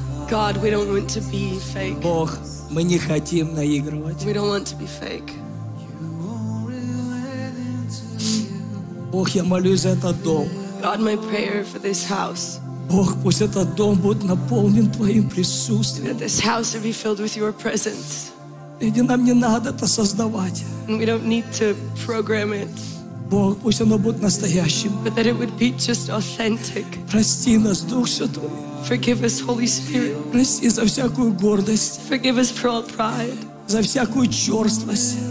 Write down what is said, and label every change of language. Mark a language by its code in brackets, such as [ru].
[en] God, we don't want to be fake. [ru] Бог, мы не хотим наигрывать. [en] We don't want to be fake. [ru] Бог, я молюсь за этот дом. [en] God, my prayer for this house. [ru] Бог, пусть этот дом будет наполнен Твоим присутствием. [en] That this house will be filled with Your presence. [ru] Иди, нам не надо это создавать. [en] We don't need to program it. [ru] Бог, пусть оно будет настоящим. [en] But that it would be just authentic. [ru] Прости нас, Дух Святой. [en] Forgive us, Holy Spirit. [ru] Прости за всякую гордость. [en] Forgive us for all pride. [ru] За всякую черствость.